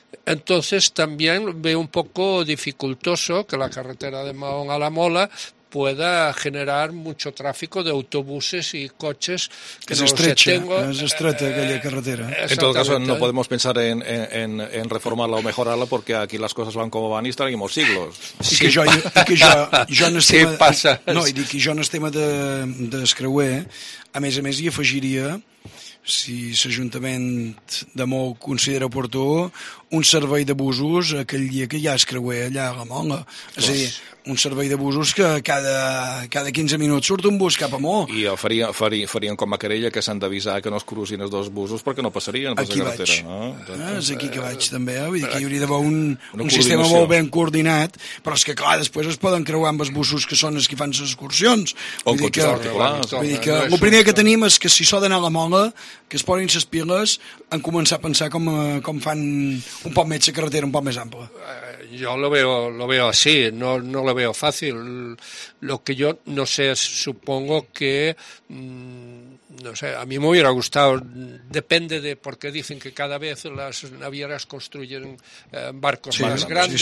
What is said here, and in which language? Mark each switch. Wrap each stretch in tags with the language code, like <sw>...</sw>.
<es>Entonces también veo un poco dificultoso que la carretera de Mahón a la Mola pueda generar mucho tráfico de autobuses y coches. Que es estrecha, es estrecha aquella carretera. En todo caso, no podemos pensar en reformarla o mejorarla, porque aquí las cosas van como van y estaremos siglos.</es> <ca>Sí. I que jo en el tema, sí, passa. No, i dic, jo en el tema de creuer, a més, hi afegiria, si l'Ajuntament de Mou considera oportú, un servei de busos aquell dia que hi ha el creuer allà a la Mola. És a dir, un servei de busos que cada 15 minuts surt un bus cap a Mou. I farien com a querella que s'han d'avisar que no es cruzin els dos busos perquè no passarien. Aquí per la carretera, vaig. No? És aquí que vaig també. Vull dir que hi hauria d'haver un sistema molt ben coordinat, però és que clar, després es poden creuar amb els busos que són els que fan les excursions. Vull dir que el primer que tenim és que si s'ha d'anar a la Mola, que es posin les piles en començar a pensar com fan un poc més de carretera, un poc més ample.</ca> <es>Yo lo veo así, no lo veo fácil. Lo que yo no sé, supongo que, no sé, a mí me hubiera gustado, depende de por qué dicen que cada vez las navieras construyen barcos sí, más grandes.</es>